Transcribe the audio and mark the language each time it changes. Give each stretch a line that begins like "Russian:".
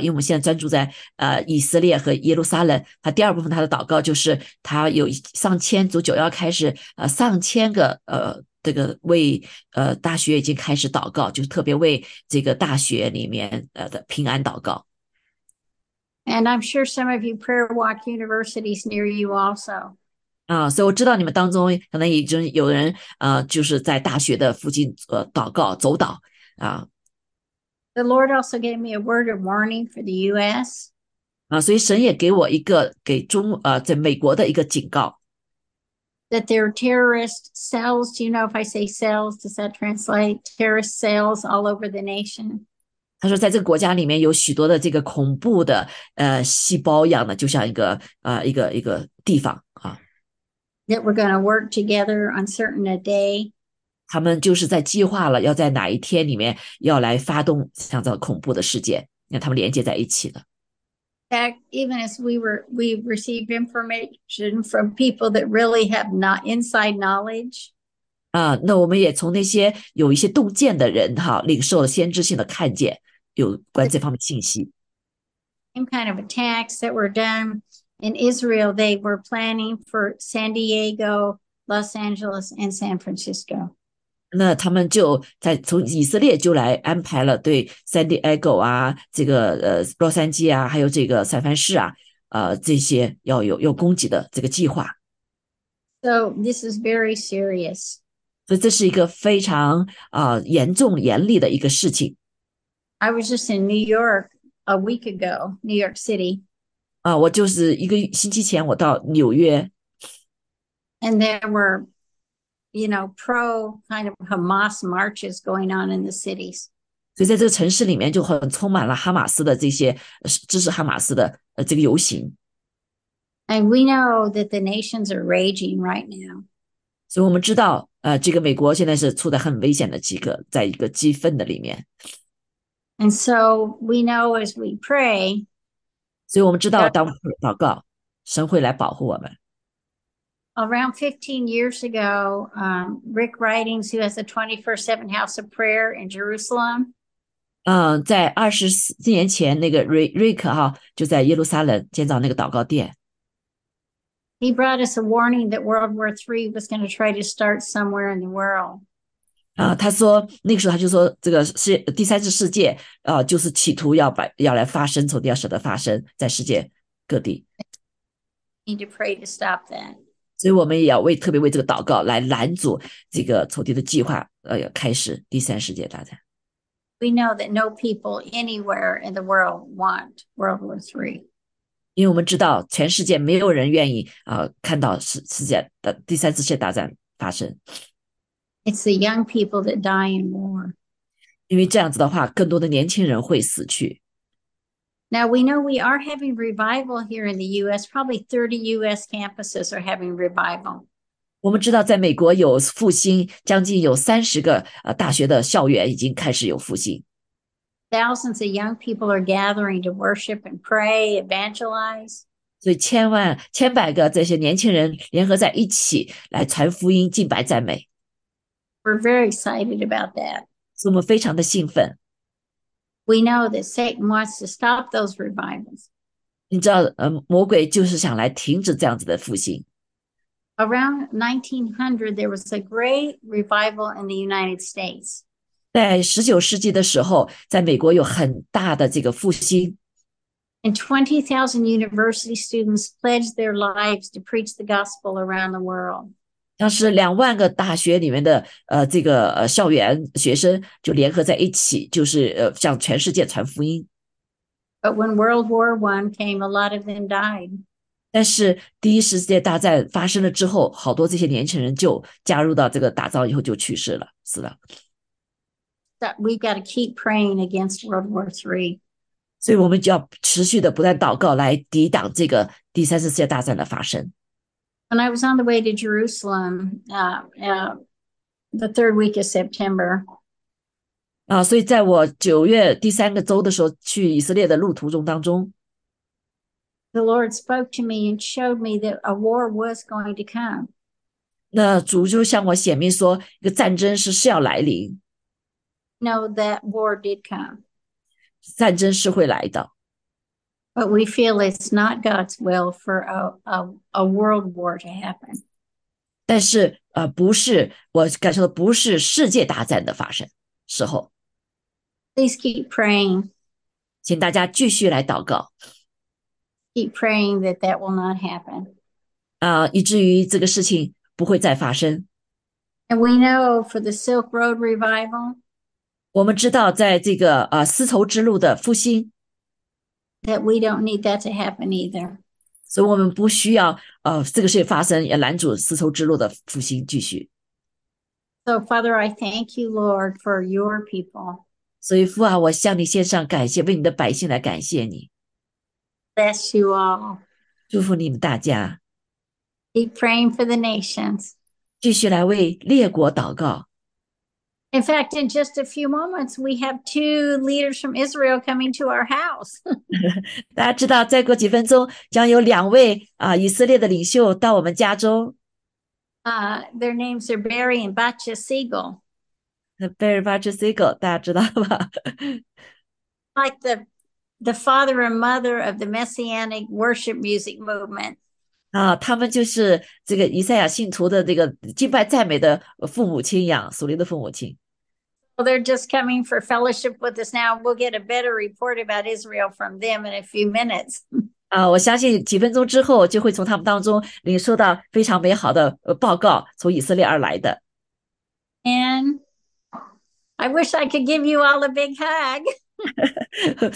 Chinese: 因为我们现在专注在以色列和耶路撒冷，它第二部分它的祷告就是它有上千，从九幺开始，上千个这个为大学已经开始祷告，就是特别为这个大学里面的平安祷告。
English: And I'm sure some of you prayer walk universities near you also.
Chinese: 所以我知道你们当中可能已经有人就是在大学的附近祷告走祷啊。
English: The Lord also gave me a word of warning for the U.S.
Chinese: 所以神也给我一个给中在美国的一个警告。
English: That there are terrorist cells. Do you know if I say cells? Does that translate terrorist cells all over the nation?
Chinese: 他说在这个国家里面有许多的这个恐怖的细胞一样的，就像一个地方啊。
English: That we're going to work together on certain a day.
Chinese: 他们就是在计划了要在哪一天里面要来发动像这恐怖的事件，让他们连接在一起的。
English: Even as we received information from people that really have not inside knowledge.
Chinese: 那我们也从那些有一些洞见的人领受了先知性的看见，有关这方面信息。
English: same kind of attacks that were done in Israel, they were planning for San Diego, Los Angeles, and San Francisco.
Chinese: 那他们就在从以色列就来安排了对 San Diego 啊，这个洛杉矶啊，还有这个三藩市啊，这些要有要攻击的这个计划。
English: So this is very serious.
Chinese: 所以这是一个非常严重严厉的一个事情。
English: I was just in New York a week ago, New York City.
Chinese: 啊，我就是一个星期前我到纽约。
English: And there were, you know, pro kind of Hamas marches going on in the cities.
Chinese: 所以在这个城市里面就很充满了哈马斯的这些支持哈马斯的这个游行。
English: And we know that the nations are raging right now.
Chinese: 所以我们知道，这个美国现在是处在很危险的一个，在一个激愤的里面。
English: And so we know as we pray.
Chinese: 所以我们知道，当祷告，神会来保护我们。
English: Around 15 years ago, Rick Ridings, who has a 24/7 house of prayer in Jerusalem.
Chinese: 在24年前，那个Rick哈，就在耶路撒冷建造那个祷告殿。
English: He brought us a warning that World War III was going to try to start somewhere in the world.
Chinese: 他说那个时候他就说这个是第三次世界，就是企图要来发生，从第二次的发生在世界各地。
English: Need to pray to stop that.
Chinese: 所以我们也要为特别为这个祷告来拦阻这个仇敌的计划，开始第三世界大战。
English: We know that no people anywhere in the world want World War III.
Chinese: 因为我们知道，全世界没有人愿意看到第三次世界大战发生。
English: It's the young people that die in war.
Chinese: 因为这样子的话，更多的年轻人会死去。
English: Now we know we are having revival here in the U.S. Probably 30 U.S. campuses are having revival.
Chinese: 我们知道，在美国有复兴，将近有30个大学的校园已经开始有复兴。
English: Thousands of young people are gathering to worship and pray, evangelize.
Chinese: 所以千百个这些年轻人联合在一起来传福音、敬拜、赞美。
English: We're very excited about that.
Chinese: 所以我们非常的兴奋。
English: We know that Satan wants to stop those revivals.
Chinese: 你知道，魔鬼就是想来停止这样子的复兴。
English: Around 1900, there was a great revival in the United States.
Chinese: 在19世纪的时候，在美国有很大的这个复兴。
English: And 20,000 university students pledged their lives to preach the gospel around the world.
Chinese: 当时20,000个大学里面的这个校园学生就联合在一起，就是向全世界传福音。
English: But when World War I came, a lot of them died.
Chinese: 但是第一次世界大战发生了之后，好多这些年轻人就加入到这个打仗以后就去世了，死了。
English: That we've got to keep praying against World War III.
Chinese: 所以我们就要持续的不断祷告来抵挡这个第三次世界大战的发生。
English: When I was on the way to Jerusalem, the third week of September.
Chinese: 所以在我九月第三个周的时候去以色列的路途中当中。
English: The Lord spoke to me and showed me that a war was going to come.
Chinese: 那主就向我显明说，一个战争是要来临。
English: No, that war did come.
Chinese: 战争是会来的。
English: But we feel it's not God's will for a world war to happen.
Chinese: 但是不是我感受到不是世界大战的发生时候。
English: Please keep praying.
Chinese: 请大家继续来祷告。
English: Keep praying that that will not happen.
Chinese: 以至于这个事情不会再发生。
English: And we know for the Silk Road revival.
Chinese: 我们知道在这个丝绸之路的复兴。
English: That we don't need that to happen either.
Chinese: 所以我们不需要这个事发生，也拦阻丝绸之路的复兴继续。
English: So Father, I thank you, Lord, for your people.
Chinese: 所以父啊，我向你献上感谢，为你的百姓来感谢你。
English: Bless you all.
Chinese: 祝福你们大家。
English: Keep praying for the nations.
Chinese: 继续来为列国祷告。
English: In fact, in just a few moments, we have two leaders from Israel coming to our house. 大家知道，再过几分钟，将有两位以色列的领袖到我们家中。 Their names are Barry and Batya Siegel.
Chinese: Barry and Batya Siegel, 大家知道吧？
English: Like the the father and mother of the messianic worship music movement.
Chinese: 他们就是这个以赛亚信徒的这个敬拜赞美的父母亲一样，属灵的父母亲。
English: Well, they're just coming for fellowship with us now. We'll get a better report about Israel from them in a few minutes.
Chinese: 我相信几分钟之后就会从他们当中领受到非常美好的报告，从以色列而来的。
English: And I wish I could give you all a big hug.